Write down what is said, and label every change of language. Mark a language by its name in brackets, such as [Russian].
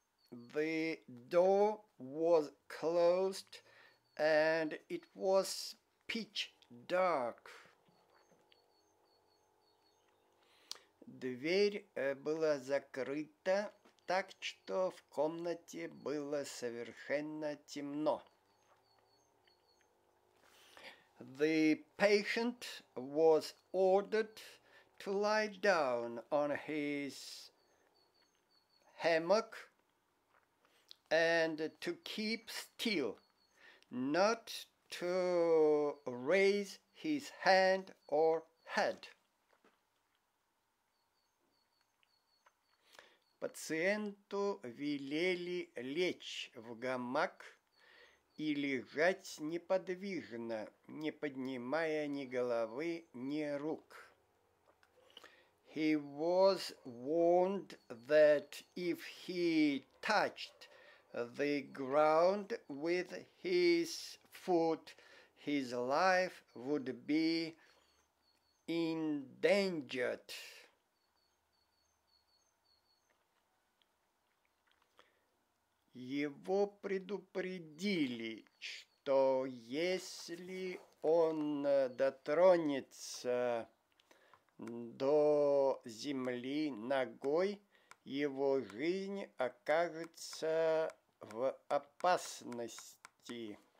[English] The door was closed and it was pitch dark. [Russian] Дверь была закрыта так, что в комнате было совершенно темно. [English] The patient was ordered to lie down on his hammock and to keep still, not to raise his hand or head. [Russian] Пациенту велели лечь в гамак и лежать неподвижно, не поднимая ни головы, ни рук. [English] He was warned that if he touched the ground with his foot, his life would be endangered. [Russian] Его предупредили, что если он дотронется до земли ногой, его жизнь окажется в опасности.